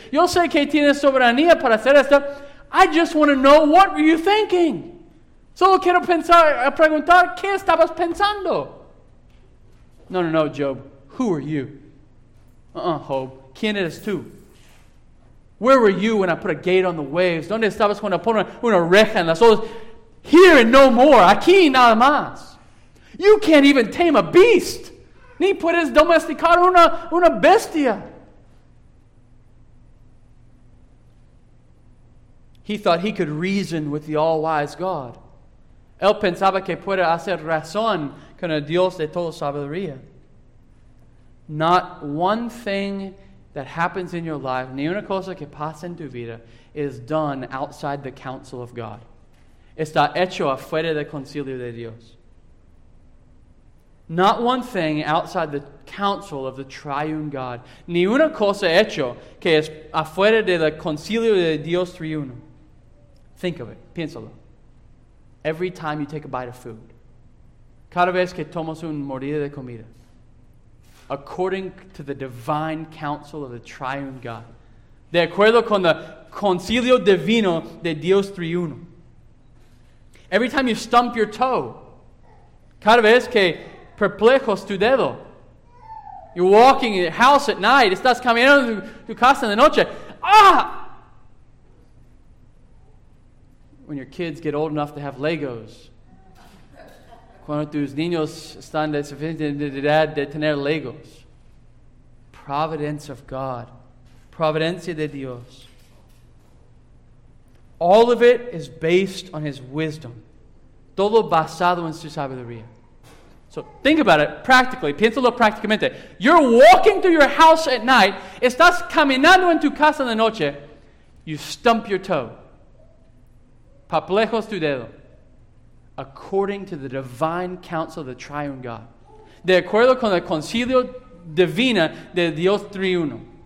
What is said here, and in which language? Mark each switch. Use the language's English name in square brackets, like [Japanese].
[Spanish] Yo sé que tienes soberanía para hacer esto. [English] I just want to know, what were you thinking? [Spanish] Solo quiero preguntar, ¿qué estabas pensando? [English] No, Job. Who are you? Job. [Spanish] ¿Quién eres tú? [English] Where were you when I put a gate on the waves? [Spanish] ¿Dónde estabas cuando pone una reja en las olas? [English] Here and no more. [Spanish] Aquí nada más. [English] You can't even tame a beast. [Spanish] Ni puedes domesticar una bestia. [English] He thought he could reason with the all-wise God. [Spanish] Él pensaba que puede hacer razón con el Dios de toda sabiduría. [English] Not one thing that happens in your life, [Spanish] ni una cosa que pasa en tu vida, [English] is done outside the counsel of God. [Spanish] Está hecho afuera del concilio de Dios. [English] Not one thing outside the counsel of the triune God. [Spanish] Ni una cosa hecho que es afuera del concilio de Dios triuno. [English] Think of it. [Spanish] Piénsalo. [English] Every time you take a bite of food. [Spanish] Cada vez que tomas una mordida de comida. [English] According to the divine counsel of the triune God. [Spanish] De acuerdo con el concilio divino de Dios triuno. [English] Every time you stump your toe, [Spanish] cada vez que perplejos tu dedo, [English] you're walking in your house at night, [Spanish] estás caminando en tu casa en la noche, [English] ah! When your kids get old enough to have Legos, [Spanish] cuando tus niños están de suficiente edad de tener Legos, [English] providence of God, [Spanish] providencia de Dios, [English] all of it is based on his wisdom. [Spanish] Todo basado en su sabiduría. [English] So think about it practically. [Spanish] Piénsalo prácticamente. [English] You're walking through your house at night. [Spanish] Estás caminando en tu casa en la noche. [English] You stump your toe. [Spanish] Perplejos tu dedo. [English] According to the divine counsel of the triune God. [Spanish] De acuerdo con el concilio divino de Dios triuno.